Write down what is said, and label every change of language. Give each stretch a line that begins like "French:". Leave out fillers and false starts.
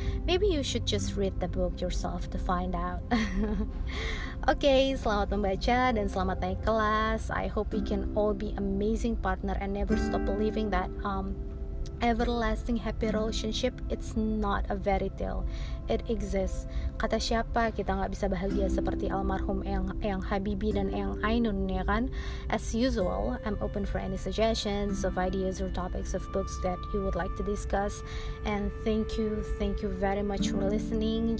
English: Maybe you should just read the book yourself to find out. Okay,
Indonesian: selamat membaca dan selamat naik kelas.
English: I hope we can all be amazing partner and never stop believing that everlasting happy relationship, it's not a fairy tale, it exists.
Indonesian: Kata siapa kita gak bisa bahagia seperti almarhum yang Habibi dan yang Ainun, ya kan?
English: As usual, I'm open for any suggestions of ideas or topics of books that you would like to discuss. And thank you very much for listening.